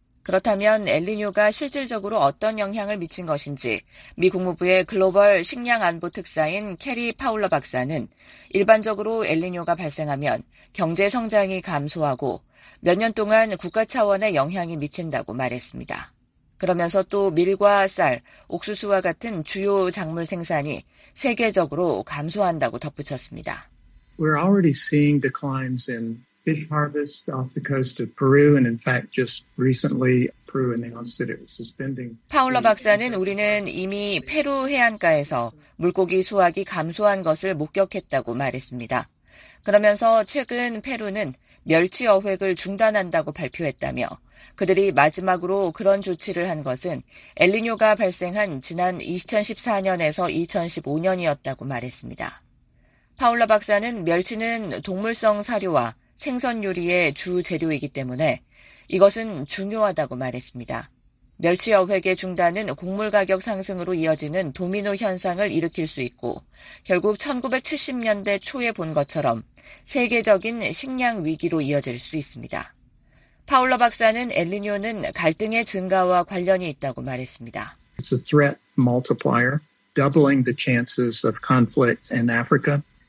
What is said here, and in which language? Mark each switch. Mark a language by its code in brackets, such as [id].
[ko] 그렇다면 엘니뇨가 실질적으로 어떤 영향을 미친 것인지 미 국무부의 글로벌 식량 안보 특사인 캐리 파울러 박사는 일반적으로 엘니뇨가 발생하면 경제 성장이 감소하고 몇 년 동안 국가 차원의 영향이 미친다고 말했습니다. 그러면서 또 밀과 쌀, 옥수수와 같은 주요 작물 생산이 세계적으로 감소한다고 덧붙였습니다. [en] We're already seeing declines in fish harvest off the coast of Peru, and in fact, just recently, Peru announced that it was suspending. [ko] 파울러 박사는 우리는 이미 페루 해안가에서 물고기 수확이 감소한 것을 목격했다고 말했습니다. 그러면서 최근 페루는 멸치 어획을 중단한다고 발표했다며 그들이 마지막으로 그런 조치를 한 것은 엘니뇨가 발생한 지난 2014년에서 2015년이었다고 말했습니다. 파울러 박사는 멸치는 동물성 사료와 생선 요리의 주 재료이기 때문에 이것은 중요하다고 말했습니다. 멸치 어획의 중단은 곡물 가격 상승으로 이어지는 도미노 현상을 일으킬 수 있고 결국 1970년대 초에 본 것처럼 세계적인 식량 위기로 이어질 수 있습니다. 파울러 박사는 엘니뇨는 갈등의 증가와 관련이 있다고 말했습니다. [en] It's a threat multiplier, doubling the chances of conflict in Africa.